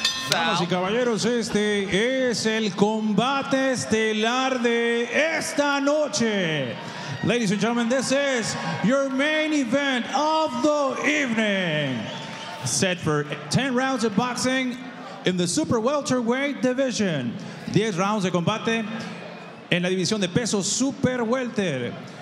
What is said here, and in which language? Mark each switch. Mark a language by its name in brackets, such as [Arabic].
[Spanish] Damas y caballeros, este es el combate estelar de esta noche. [English] Ladies and gentlemen, this is your main event of the evening. Set for 10 rounds of boxing in the super welterweight division. [Spanish] 10 rounds de combate en la división de peso super welter.